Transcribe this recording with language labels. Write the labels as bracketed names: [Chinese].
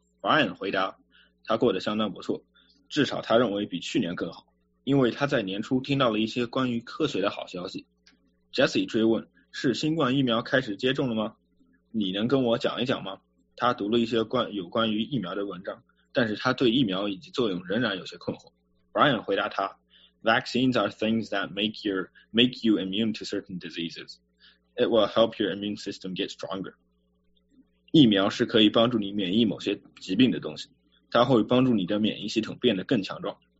[Chinese] Brian 回答他过得相当不错，至少他认为比去年更好，因为他在年初听到了一些关于科学的好消息。 Jesse 追问，是新冠疫苗开始接种了吗？你能跟我讲一讲吗？他读了一些有关于疫苗的文章，但是他对疫苗以及作用仍然有些困惑。 [English] Brian [Chinese] 回答他， [English] Vaccines are things that make you immune to certain diseases. It will help your immune system get stronger. [Chinese] 疫苗是可以帮助你免疫某些疾病的东西，它会帮助你的免疫系统变得更强壮。